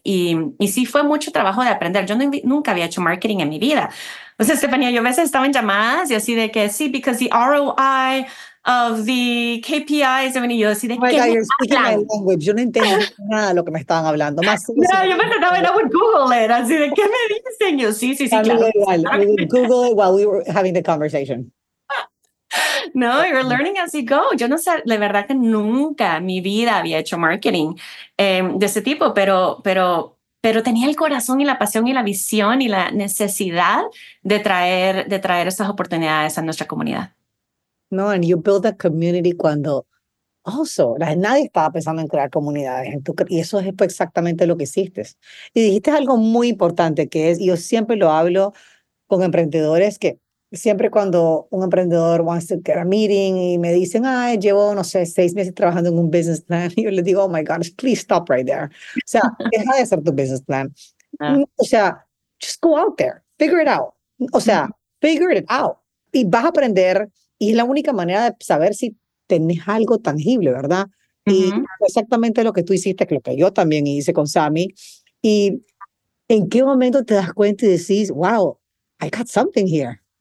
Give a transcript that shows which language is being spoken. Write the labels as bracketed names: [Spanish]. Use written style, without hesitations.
[Spanish] Y sí, fue mucho trabajo de aprender. Yo nunca había hecho marketing en mi vida. O sea, Estefanía, yo a veces estaba en llamadas y así de que sí, [English] because the ROI of the KPIs, [Spanish] Stephanie, yo así de que yo no entiendo nada de lo que me estaban hablando. Más yo me trataba en Google, era así de, ¿qué me dicen? Yo sí, claro. Igual. [English] We would Google it while we were having the conversation. No, you're learning as you go. [Spanish] Yo no sé, de verdad que nunca en mi vida había hecho marketing de ese tipo, pero tenía el corazón y la pasión y la visión y la necesidad de traer esas oportunidades a nuestra comunidad. [English] No, and you build a community [Spanish] cuando nadie estaba pensando en crear comunidades. Y eso fue exactamente lo que hiciste. Y dijiste algo muy importante que es, yo siempre lo hablo con emprendedores que, siempre cuando un emprendedor [English] wants to get a meeting [Spanish] y me dicen, ay, llevo, no sé, 6 meses trabajando en un business plan, yo le digo, [English] oh my gosh, please stop right there. [Spanish] O sea, deja de hacer tu business plan. [English] O sea, just go out there, figure it out. O sea, figure it out. [Spanish] Y vas a aprender, y es la única manera de saber si tenés algo tangible, ¿verdad? Uh-huh. Y exactamente lo que tú hiciste, que lo que yo también hice con Sammy. Y ¿en qué momento te das cuenta y decís, [English] wow, I got something here?